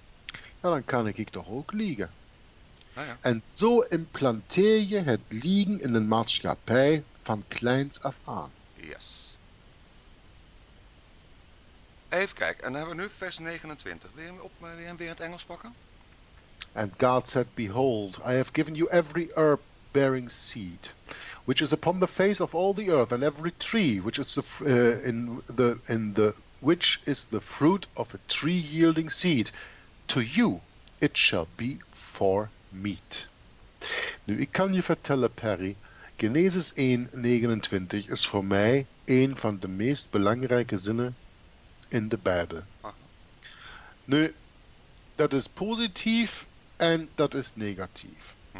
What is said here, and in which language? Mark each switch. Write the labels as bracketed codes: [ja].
[nl] Ja, dan kan ik toch ook liegen. Ah, ja. En zo implanteer je het liegen in een maatschappij van kleins af aan. [en] Yes. [nl] Even kijken, en dan hebben we nu vers 29. Wil je hem weer in het Engels pakken? [en] And God said, behold, I have given you every herb bearing seed, which is upon the face of all the earth, and every tree which is the fruit of a tree yielding seed, to you it shall be for meat. [nl] Nu, ik kan je vertellen, Perry, Genesis 1:29 is voor mij een van de meest belangrijke zinnen in de Bijbel. Aha. Nu, dat is positief en dat is negatief.